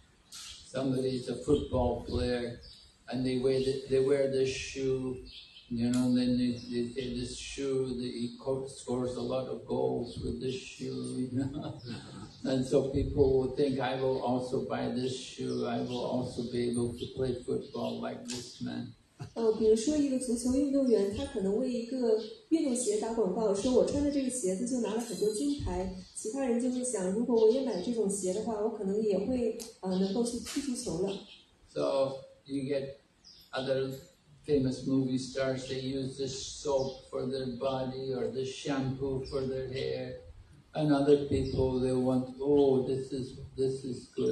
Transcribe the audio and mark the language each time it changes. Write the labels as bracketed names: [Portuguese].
[English] Somebody is a football player, and they wear this shoe, you know, and then they say this shoe, he scores a lot of goals with this shoe, you know. And so people will think, I will also buy this shoe, I will also be able to play football like this man. [Chinese] 比如说一个足球运动员，他可能为一个运动鞋打广告，说我穿的这个鞋子就拿了很多金牌。其他人就会想，如果我也买这种鞋的话，我可能也会能够去踢足球了。So [English] you get other famous movie stars. They use this soap for their body or the shampoo for their hair. And other people they want, oh, this is good.